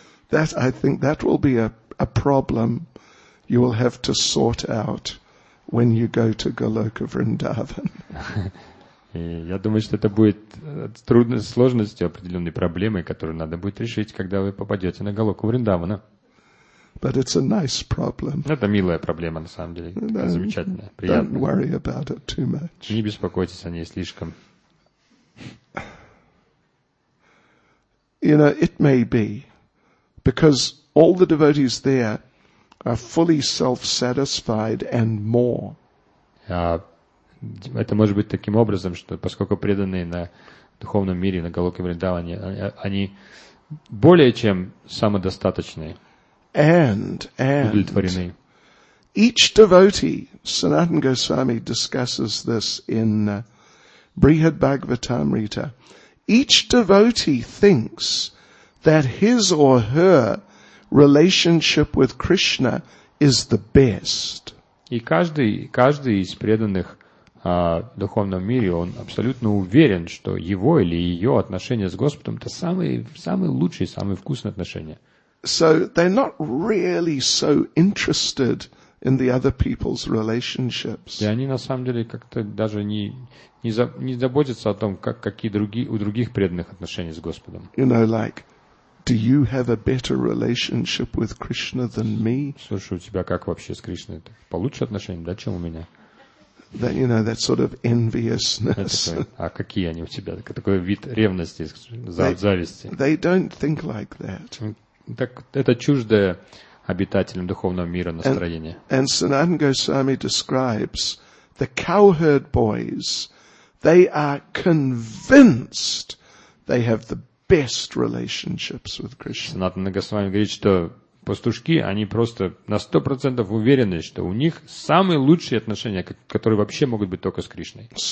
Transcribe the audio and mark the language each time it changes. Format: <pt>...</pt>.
<en>That I think that will be a problem you will have to sort out when you go to Goloka Vrindavan.</en> <ru>И я думаю, что это будет трудной сложностью, определенной проблемой, которую надо будет решить, когда вы попадете на Голоку Вриндавана.</ru> <en>But it's a nice problem.</en> <ru>Это милая проблема, на самом деле. Это замечательная, приятная.</ru> <en>Don't worry about it too much.</en> <ru>Не беспокойтесь о ней слишком.</ru> <en>You know, it may be, because all the devotees there are fully self-satisfied and more.</en> <ru>Это может быть таким образом, что поскольку преданные на духовном мире, на Голоке Вриндаване, они более чем самодостаточные.</ru> <en>And each devotee, Sanatana Goswami discusses this in Brihad Bhagavatamrita, each devotee thinks that his or her relationship with Krishna is the best.</en> <ru>И каждый из преданных в духовном мире, он абсолютно уверен, что его или ее отношения с Господом — это самые лучшие, самые вкусные отношения.</ru> <en>So they're not really so interested in the other people's relationships.</en> <ru>И они на самом деле как-то даже не заботятся о том, как какие другие у других преданных отношения с Господом.</ru> <en>You know, like, do you have a better relationship with Krishna than me?</en> <ru>Слушай, у тебя как вообще с Кришной? Ты получше отношения, да, чем у меня?</ru> <en>That, you know, that sort of enviousness.</en> <ru>А какие они у тебя? Такой вид ревности, зависти.</ru> <en>They don't think like that.</en> <ru>Так это чуждое обитателям духовного мира настроение.</ru> <en>And Sanatana Goswami describes the cowherd boys, they are convinced they have the best relationships with Krishna.</en> <ru>Sanatana Goswami говорит, что пастушки, они просто на 100% уверены, что у них самые лучшие отношения, которые вообще могут быть только с Кришной.</ru>